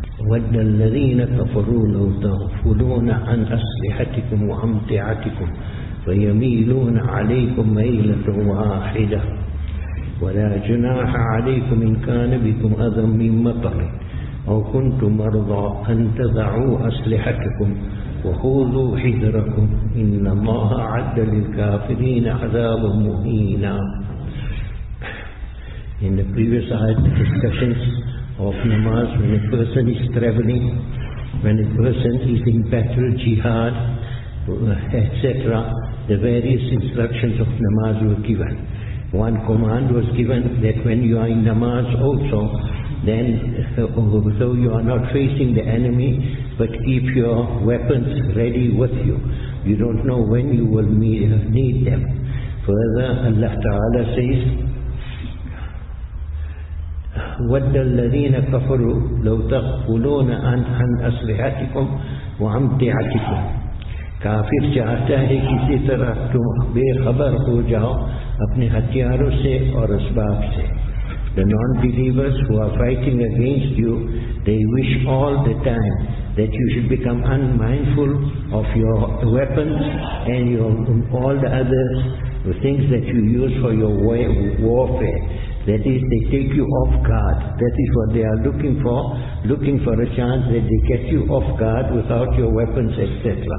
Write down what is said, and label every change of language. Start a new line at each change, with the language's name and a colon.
Arabic: ود الذين كفروا لو تغفلون عن أسلحتكم وأمتعتكم فيميلون عليكم ميلة واحدة ولا جناح عليكم إن كان بكم أذى من مطر أو كنتم مرضى أن تضعوا أسلحتكم وخذوا حذركم إن الله أعد للكافرين عذابا مهينا.
English: In the previous ayat, discussions of namaz, when a person is traveling, when a person is in battle, jihad, etc., the various instructions of namaz were given. One command was given that when you are in namaz also, then though you are not facing the enemy, but keep your weapons ready with you. You don't know when you will need them. Further, Allah Ta'ala says,
Arabic: وَدَّ الَّذِينَ كَفَرُوا لَوْ تَغْفُلُونَ عَنْ أَسْلِحَتِكُمْ وَأَمْتِعَتِكُمْ.
Urdu: کافر چاہتا ہے کسی طرح تم بے خبر ہو جاؤ اپنے ہتھیاروں سے اور اسباب سے.
English: The non-believers who are fighting against you, they wish all the time that you should become unmindful of your weapons and all the other things that you use for your warfare. That is, they take you off guard. That is what they are looking for a chance that they get you off guard without your weapons, etc.